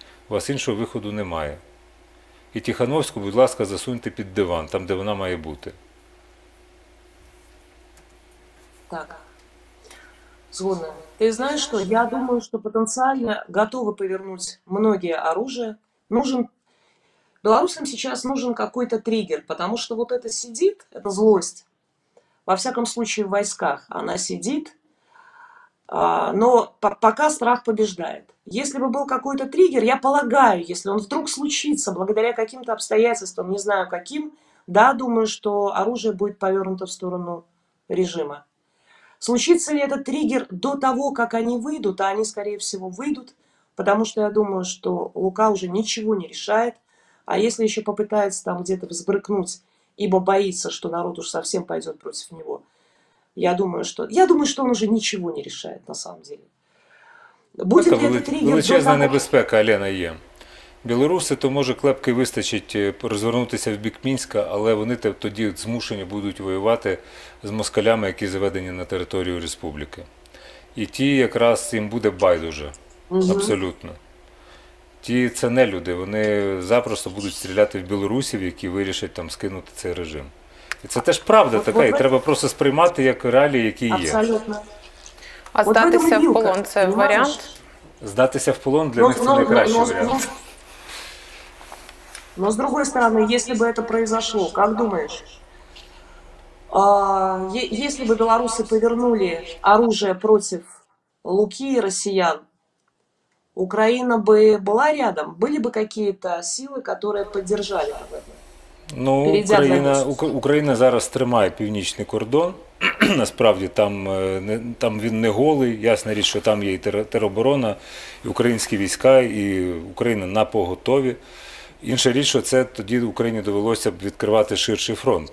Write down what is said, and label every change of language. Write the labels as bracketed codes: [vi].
[uk] У вас іншого виходу немає. І Тихановську, будь ласка, засуньте під диван, там, де вона має бути. Так. Згодна. Ти знаєш що? Я думаю, що потенціально готові повернути [ru] многие оружие. Нужен белорусам сейчас нужен какой-то триггер, потому что вот это сидит, эта злость, во всяком случае в войсках она сидит, но пока страх побеждает. Если бы был какой-то триггер, я полагаю, если он вдруг случится, благодаря каким-то обстоятельствам, не знаю каким, да, думаю, что оружие будет повернуто в сторону режима. Случится ли этот триггер до того, как они выйдут, а они, скорее всего, выйдут, потому что я думаю, что Лука уже ничего не решает. А если еще попытается там где-то взбрыкнуть, ибо боится, что народ уж совсем пойдет против него, я думаю, что он уже ничего не решает на самом деле. Будет это ли этот триггер? [uk] Величезна небезпека, Олена, є. Білоруси, то може клепки вистачить розвернутися в бік Мінська, але вони тоді змушені будуть воювати з москалями, які заведені на територію республіки. І ті якраз їм буде байдуже. Абсолютно. Ті це не люди, вони запросто будуть стріляти в білорусів, які вирішать там скинути цей режим. І це теж правда така, і треба просто сприймати як реалії, які є. Абсолютно. А здатися в полон – це варіант? Здатися в полон для них – це найкращий варіант. [ru] Но с другой стороны, если бы это произошло, как думаешь, если бы белорусы повернули оружие против Луки и россиян, Украина бы была рядом? Были бы какие-то силы, которые поддержали бы? [uk] Ну, Україна зараз тримає північний кордон, насправді там він не голий, ясна річ, що там є і тероборона, і українські війська, і Україна напоготові. Інша річ, що це тоді Україні довелося б відкривати ширший фронт.